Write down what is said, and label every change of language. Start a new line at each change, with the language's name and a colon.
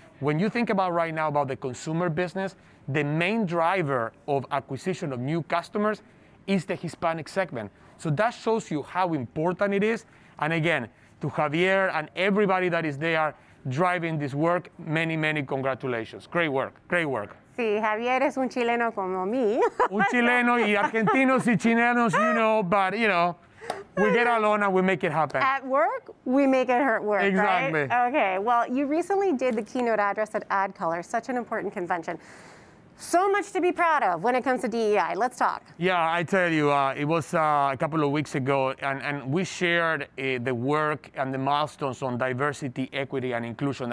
English: When you think about right now about the consumer business, the main driver of acquisition of new customers is the Hispanic segment. So that shows you how important it is. And again, to Javier and everybody that is there driving this work, many, many congratulations. Great work, great work.
Spanish: Sí, Javier es un chileno como mí. Un chileno y argentinos y chilenos,
English: you know, but you know. We get along and we make it happen. At work, we make it hurt work, exactly. Right? Okay, well, you recently did the keynote address at Ad Color, such an important convention. So much to be proud of when it comes to DEI. Let's talk. Yeah, I tell you, it was a couple of weeks ago, and we shared the work and the milestones on diversity, equity, and inclusion.